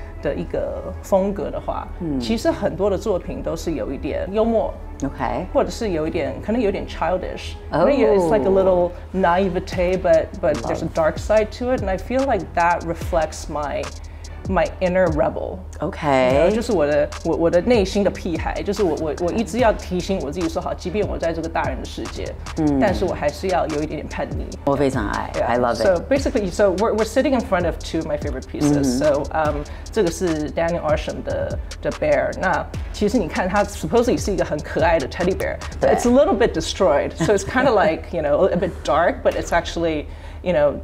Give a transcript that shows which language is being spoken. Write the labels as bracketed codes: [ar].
[zh] 的一个风格的话、嗯、其实很多的作品都是有一点幽默、 [en] okay. [zh] 或者是有一点可能有点 childish、oh. [en] It's like a little naivete but there's a dark side to it and I feel like that reflects my inner rebel okay you know, [zh] 就是我的内心的屁孩就是我一直要提醒我自己说好即便我在这个大人的世界、嗯、但是我还是要有一点点叛逆我非常爱、 [en] yeah. I love it so basically so we're sitting in front of two of my favorite pieces、嗯、so [zh] 这个是 [en] Daniel Arsham 的 bear [zh] 那其实你看它 [en] supposedly [zh] 是一个很可爱的 [en] teddy bear but it's a little bit destroyed so it's kind of like you know a bit dark but it's actuallyou know,